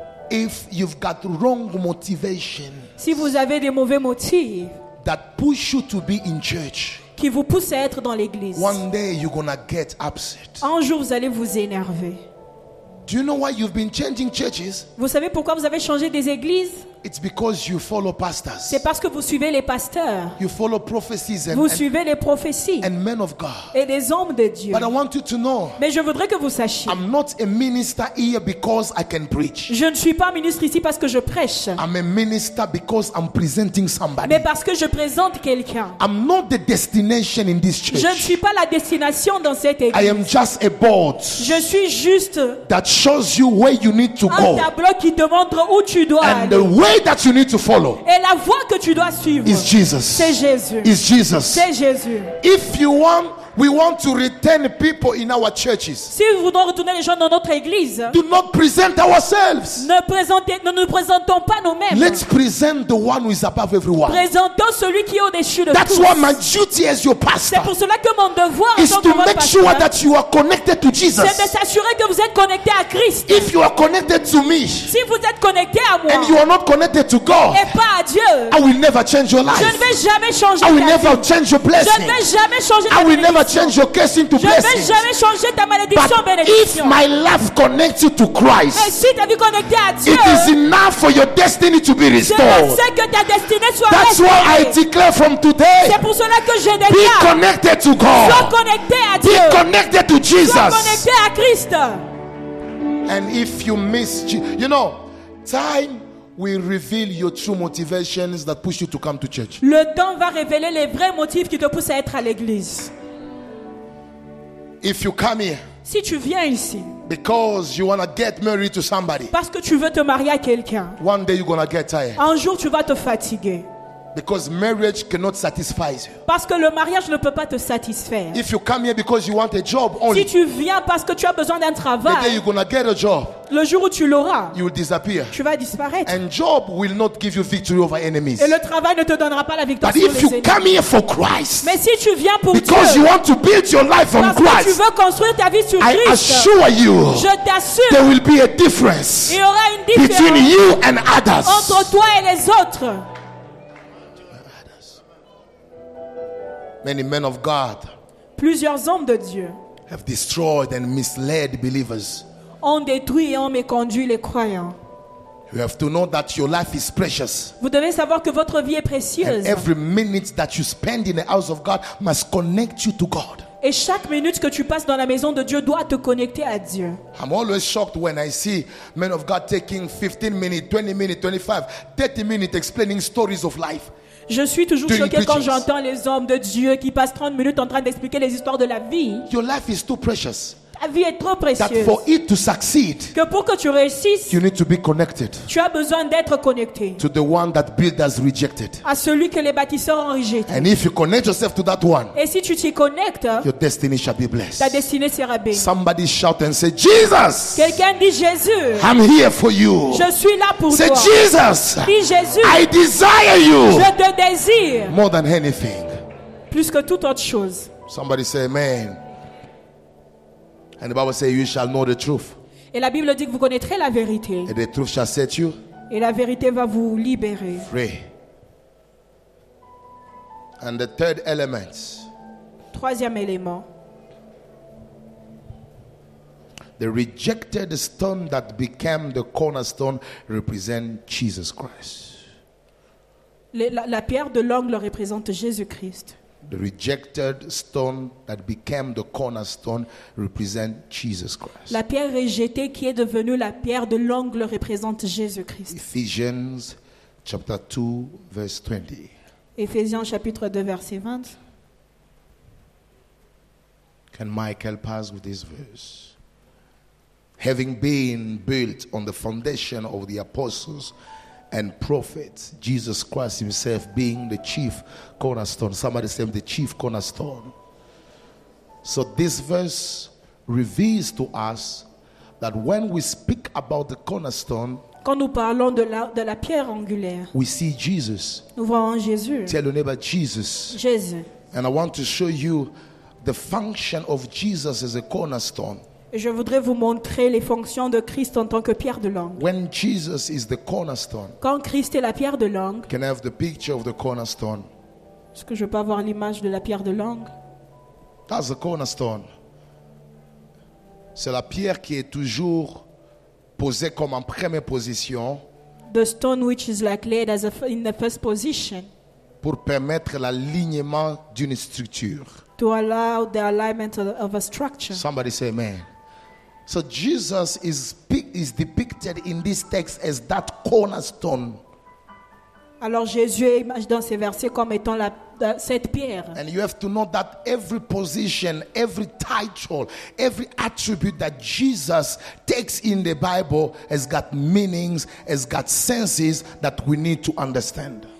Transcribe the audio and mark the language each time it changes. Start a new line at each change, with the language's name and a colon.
English: If you've got wrong motivation,
French: si vous avez des mauvais motifs.
English: That push you to be in church.
French: Qui vous pousse à être dans l'église.
English: One day you're gonna get upset.
French: Un jour vous allez vous énerver.
English: Do you know why you've been changing churches?
French: Vous savez pourquoi vous avez changé des églises?
English: It's because you follow pastors.
French: C'est parce que vous suivez les pasteurs.
English: You follow prophecies and
French: vous suivez les prophéties.
English: And men of God.
French: Et les hommes de Dieu.
English: But I want you to know.
French: Mais je voudrais que vous sachiez.
English: I'm not a minister here because I can preach.
French: Je ne suis pas ministre ici parce que je prêche.
English: I'm a minister because I'm presenting somebody.
French: Mais parce que je présente quelqu'un.
English: I'm not the destination in this church.
French: Je ne suis pas la destination dans cette église.
English: I am just a board.
French: Je suis juste.
English: That shows you where you need to go.
French: Un tableau qui te montre où tu dois
English: and
French: aller.
English: Way that you need to follow.
French: Et la voie que tu dois suivre.
English: Is Jesus.
French: C'est Jésus.
English: Is Jesus.
French: C'est Jésus.
English: If you want, we want to retain people in our churches.
French: Si nous voulons retourner les gens dans notre église.
English: Do not present ourselves.
French: Ne nous présentons pas nous-mêmes.
English: Let's present the one who is above everyone.
French: Présentons celui qui est au-dessus de
English: that's
French: tous.
English: That's why my duty as your pastor.
French: C'est pour cela que mon devoir
English: is to make
French: pasteur,
English: sure that you are connected to Jesus.
French: C'est de s'assurer que vous êtes connecté à Christ.
English: If you are connected to me.
French: Si vous êtes connecté à moi.
English: And you are not connected to God.
French: Et pas à Dieu.
English: I will never change your life.
French: Je ne vais jamais changer ta vie.
English: I will never change your blessing.
French: Je ne vais jamais changer ta
English: I will never change your curse into
French: je
English: blessing.
French: Je vais jamais changer ta malédiction
English: but
French: bénédiction.
English: If my love connects you to Christ,
French: et si ta vie connectée à Dieu,
English: it is enough for your destiny to be restored.
French: C'est pour ça que ta destinée soit
English: that's
French: restaurée.
English: Why I declare from today.
French: C'est pour cela que je déclare.
English: Be connected to God.
French: Sois connecté à Dieu.
English: Be connected to Jesus.
French: Sois connecté à Christ.
English: And if you miss, you know, time will reveal your true motivations that push you to come to church.
French: Le temps va révéler les vrais motifs qui te poussent à être à l'église.
English: If you come here,
French: si tu viens ici,
English: because you wanna get married to somebody,
French: parce que tu veux te marier à quelqu'un,
English: one day you're gonna get tired.
French: Un jour tu vas te fatiguer.
English: Because marriage cannot satisfy you.
French: Parce que le mariage ne peut pas te satisfaire.
English: If you come here because you want a job only,
French: si tu viens parce que tu as besoin d'un travail,
English: the day you're gonna get a job,
French: le jour où tu l'auras,
English: you will disappear.
French: Tu vas disparaître.
English: And job will not give you victory over enemies.
French: Et le travail ne te donnera pas la victoire
English: but
French: sur les ennemis.
English: But if you come here for Christ,
French: mais si tu viens pour
English: because
French: Dieu,
English: you want to build your life on Christ,
French: tu veux construire ta vie sur
English: I
French: Christ,
English: assure you,
French: je t'assure,
English: there will be a difference,
French: il y aura une différence
English: between you and others,
French: entre toi et les autres.
English: Many men of God
French: plusieurs hommes de Dieu
English: have destroyed and misled believers.
French: Ont détruit et ont méconduit les croyants.
English: You have to know that your life is precious.
French: Vous devez savoir que votre vie est précieuse.
English: And every minute that you spend in the house of God must connect you to God.
French: Et chaque minute que tu passes dans la maison de Dieu doit te connecter à Dieu.
English: I'm always shocked when I see men of God taking 15 minutes, 20 minutes, 25, 30 minutes explaining stories of life.
French: Je suis toujours choqué quand j'entends les hommes de Dieu qui passent 30 minutes en train d'expliquer les histoires de la vie.
English: Your life is too precious.
French: vie est trop précieuse.
English: That for it to succeed,
French: que pour que tu réussisses,
English: you need to be connected.
French: Tu as besoin d'être connecté.
English: To the one that builders rejected.
French: À celui que les bâtisseurs ont rejeté.
English: And if you connect yourself to that one,
French: et si tu t'y connectes,
English: your destiny shall be blessed.
French: Ta destinée sera bénie.
English: Somebody shout and say, Jesus.
French: Quelqu'un dit Jésus.
English: I'm here for you.
French: Je suis là pour
English: say,
French: toi.
English: Say Jesus.
French: Dis Jésus.
English: I desire you.
French: Je te désire.
English: More than anything.
French: Plus que toute autre chose.
English: Somebody say, Amen. And the Bible says, you shall know the truth.
French: Et la Bible dit que vous connaîtrez la vérité.
English: And the truth shall set you.
French: Et la vérité va vous libérer.
English: Free. And the third element.
French: Troisième élément.
English: The rejected stone that became the cornerstone represents Jesus Christ.
French: La pierre de l'angle représente Jésus Christ.
English: The rejected stone that became the cornerstone represents Jesus Christ.
French: La pierre rejetée qui est devenue la pierre de l'angle représente Jésus Christ.
English: Ephesians chapter 2 verse 20.
French: Ephésiens chapitre 2 verset 20.
English: Can Michael pass with this verse? Having been built on the foundation of the apostles and prophets, Jesus Christ himself being the chief cornerstone. Somebody say the chief cornerstone. So this verse reveals to us that when we speak about the cornerstone,
French: quand nous parlons de la pierre angulaire,
English: we see Jesus.
French: Nous voyons Jésus.
English: Tell your neighbor Jesus.
French: Jésus.
English: And I want to show you the function of Jesus as a cornerstone.
French: Je voudrais vous montrer les fonctions de Christ en tant que pierre de l'angle.
English: When Jesus is the cornerstone,
French: quand Christ est la pierre de l'angle,
English: can I have the picture of the cornerstone?
French: Est-ce que je peux avoir l'image de la pierre de l'angle?
English: That's the cornerstone.
French: C'est la pierre qui est toujours posée comme en première position.
English: The stone which is like laid as in the first position.
French: Pour permettre l'alignement d'une structure.
English: To allow the alignment of a structure. Somebody say amen. So Jesus is depicted in this text as that cornerstone.
French: Alors Jésus est imaginé dans ces versets comme étant cette pierre.
English: And you have to know that every position, every title, every attribute that Jesus takes in the Bible has got meanings, has got senses that we need to understand.